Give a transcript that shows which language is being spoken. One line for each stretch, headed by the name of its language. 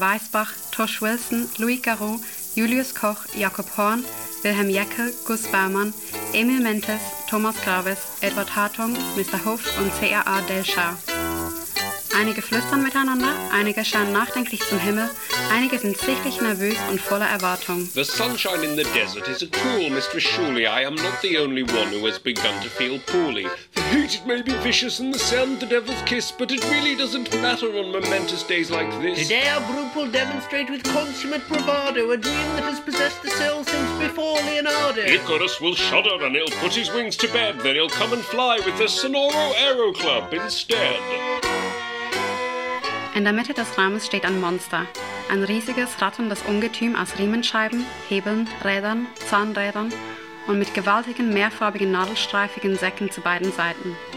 German: Weisbach, Tosh Wilson, Louis Garou, Julius Koch, Jakob Horn, Wilhelm Jeckel, Gus Baumann, Emil Mentes, Thomas Graves, Edward Hartung, Mr. Hoff und C.R.A. Del Schar. Einige flüstern miteinander, einige schauen nachdenklich zum Himmel, einige sind sichtlich nervös und voller Erwartung.
English: The sunshine in the desert is a cool, Mr. Shuley. I am not the only one who has begun to feel poorly. The heat, it may be vicious and the sand the devil's kiss, but it really doesn't matter on momentous days like this. Today our group will demonstrate with consummate bravado a dream that has possessed the cell since before the Leonardo. Icarus will shudder and he'll put his wings to bed. Then he'll come and fly with the Sonoro Aero Club instead.
German: In der Mitte des Raumes steht ein Monster. Ein riesiges, ratterndes Ungetüm aus Riemenscheiben, Hebeln, Rädern, Zahnrädern und mit gewaltigen, mehrfarbigen, nadelstreifigen Säcken zu beiden Seiten.